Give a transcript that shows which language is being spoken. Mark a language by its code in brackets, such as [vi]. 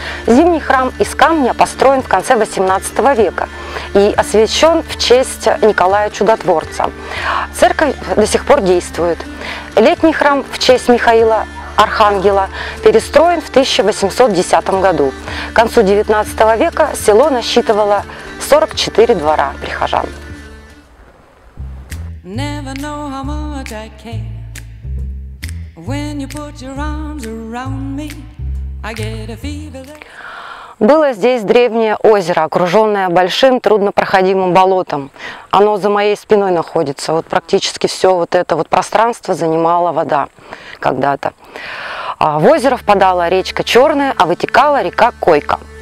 [ru] Зимний храм из камня построен в конце 18 века и освящен в честь Николая Чудотворца. Церковь до сих пор действует. Летний храм в честь Михаила Архангела перестроен в 1810 году. К концу 19 века село насчитывало 44 двора прихожан. [en] Never know how much I care. When you put your arms around me, I get a fever that... [ru] Было здесь древнее озеро, окруженное большим труднопроходимым болотом. Оно за моей спиной находится. Вот практически все вот это вот пространство занимала вода когда-то. В озеро впадала речка Черная, а вытекала река Койка.